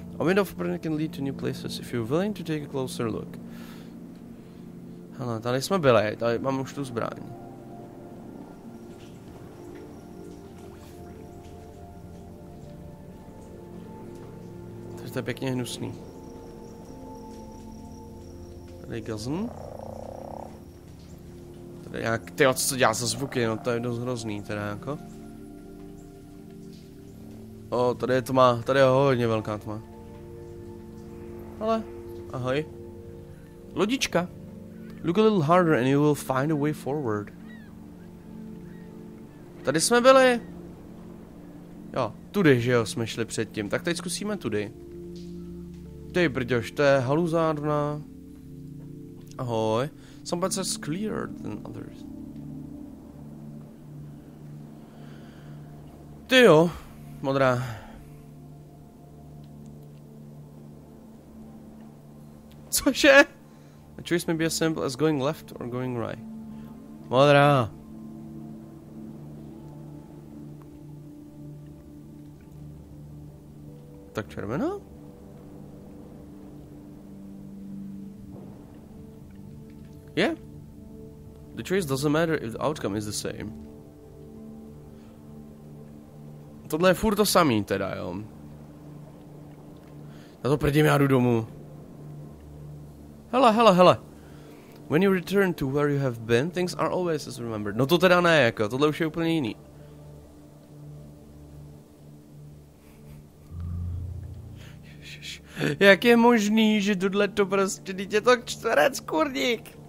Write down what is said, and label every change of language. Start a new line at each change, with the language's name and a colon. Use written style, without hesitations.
English: A window for printing can lead to new places if you're willing to take a closer look.
Czech: Hele, tady jsme byli, tady mám už tu zbraň. Tady to je pěkně hnusný. Tady gazn. Tady jak, tyjo, co to dělá za zvuky, no to je dost hrozný teda jako. O, tady je tma, tady je hodně velká tma. Hele, ahoj. Lodička.
English: Look a little harder and you will find a way forward.
Czech: Tady jsme byli. Jo, tudy, že jo, jsme šli předtím. Tak teď zkusíme tudy. Ty brďoš, to je haluzárna. Ahoj.
English: Some parts are clearer than others.
Czech: Ty jo. Modrá. Cože?
English: A choice may be as simple as going left or going right.
Czech: Modrá. Tak červená?
English: Yeah. The choice doesn't matter if the outcome is the same.
Czech: Tohle je furt to samý teda, jo. Na to prdím, já jdu domů. Hele, hele, hele.
English: When you return to where you have been, things are always as remembered.
Czech: No to teda ne, jako, tohle už je úplně jiný. Ježiš, jak je možný, že tohle to prostě, teď je to čtverec, kurník.